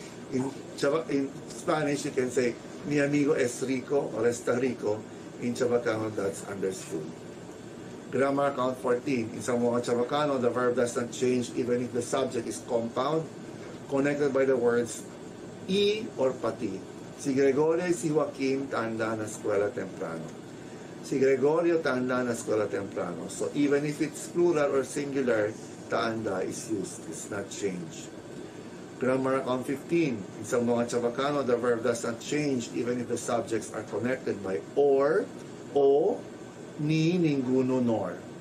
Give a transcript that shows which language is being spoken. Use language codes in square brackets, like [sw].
[en] In Spanish, you can say, [es] mi amigo es rico [en] or [es] está rico. [en] In Chabacano, that's understood. Grammar account 14. In Zamboanga Chabacano, the verb does not change even if the subject is compound, connected by the words I or pati. [cbk] Si Gregorio y si Joaquín tanda na escuela temprano. Si Gregorio tanda na escuela temprano. [en] So even if it's plural or singular, tanda is used. It's not changed. Grammar account 15. In Zamboanga Chabacano, the verb does not change even if the subjects are connected by or, [es] o, ni, ninguno, [en] nor.